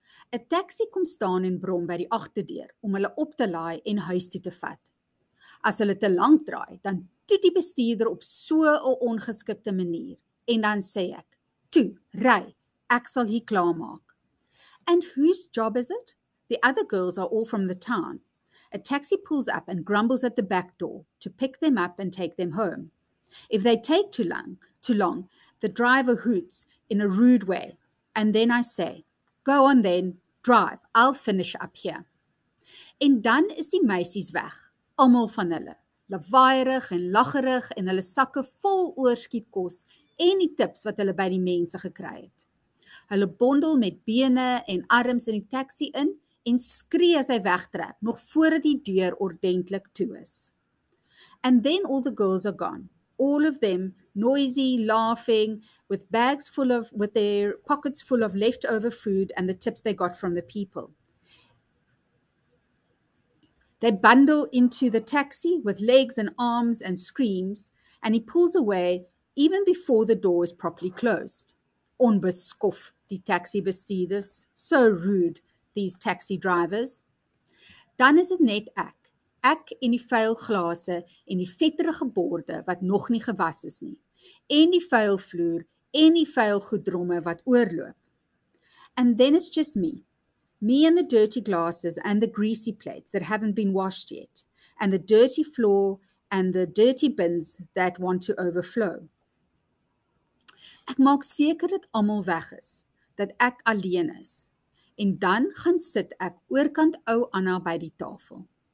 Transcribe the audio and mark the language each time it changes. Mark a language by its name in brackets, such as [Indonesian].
[Afrikaans] 'n Taxi kom staan en brom by die agterdeur om hulle op te laai en huis toe te vat. As hulle te lank draai, dan toet die bestuurder op so 'n ongeskikte manier en dan sê ek: "Toe, ry. Ek sal hier klaarmaak." [English] And whose job is it? The other girls are all from the town. A taxi pulls up and grumbles at the back door to pick them up and take them home. If they take too long, the driver hoots in a rude way, and then I say, "Go on then, drive, I'll finish up here." [Afrikaans] En dan is die meisies weg, almal van hulle, lawaaierig en lacherig en hulle sakke vol oorskiet kos en die tips wat hulle by die mense gekry het. Hulle bondel met bene en arms in die taxi in en skree as hy wegtrek, nog voordat die deur ordentlik toe is. [English] And then all the girls are gone. All of them noisy, laughing, with their pockets full of leftover food and the tips they got from the people. They bundle into the taxi with legs and arms and screams, and he pulls away even before the door is properly closed. [Afrikaans] Onbeskof, die taxibestuurders. [English] So rude, these taxi drivers. [Afrikaans] Dan is het net ek. Ek en die vuil glase en die vetterige borde wat nog nie gewas is nie, en die vuil vloer en die vuil goedromme wat oorloop. [English] And then it's just me and the dirty glasses and the greasy plates that haven't been washed yet, and the dirty floor and the dirty bins that want to overflow. [Afrikaans] Ek maak seker dat almal weg is, dat ek alleen is, en dan gaan sit ek oorkant ou Anna by die tafel.